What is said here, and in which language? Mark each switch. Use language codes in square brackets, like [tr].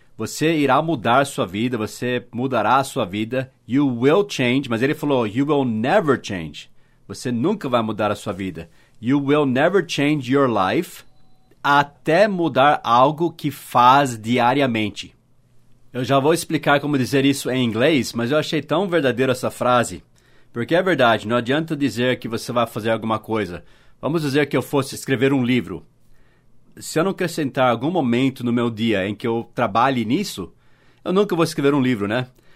[pt] Você irá mudar a sua vida, você mudará a sua vida. [en] You will change. [pt] Mas ele falou, [en] you will never change. [pt] Você nunca vai mudar a sua vida. [en] You will never change your life. [pt] Até mudar algo que faz diariamente. Eu já vou explicar como dizer isso em inglês, mas eu achei tão verdadeira essa frase. Porque é verdade, não adianta dizer que você vai fazer alguma coisa. Vamos dizer que eu fosse escrever um livro. Se eu não acrescentar algum momento no meu dia em que eu trabalhe nisso, eu nunca vou escrever um livro, né?